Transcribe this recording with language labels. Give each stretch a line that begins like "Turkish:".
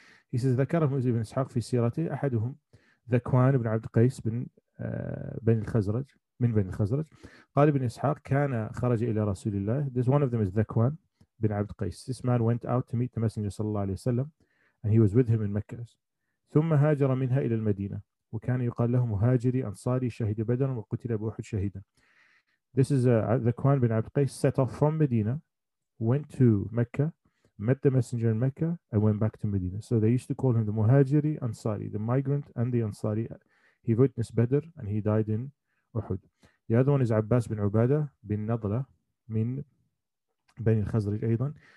English: He says,
Arabic: ذَكَرَهُمْ إِبْنِ إِسْحَاقْ فِي سِيرَتِهِ أَحَدُهُمْ ذَكْوَانِ بْنِ عَبْدِ قَيْسِ بْنِ الْخَزْرَجِ قَالِ بْنِ إِسْحَاقْ كَانَ خَرَجَ إِلَى رَسُولِ اللَّهِ.
English: This one of them is ذَكْوَانِ بْنِ عَبْدِ قَيْسِ. This man went out to meet the Messenger صلى الله عليه وسلم, and he was with him in Mecca.
Arabic: ثُمَّ هَاجَرَ مِنْهَا إِلَى الْمَدِينَةِ وكان يقال له مهاجري أنصاري شهيد بدر وقتل أبو أحد شهيدا.
English: This is Dhakwan bin Abd Qais set off from Medina, went to Mecca, met the messenger in Mecca, and went back to Medina. So they used to call him the Muhajiri Ansari, the migrant and the Ansari. He witnessed Badr and he died in Uhud. The other one is Abbas bin Ubada bin Nadla min Bani al-Khazraj أيضا.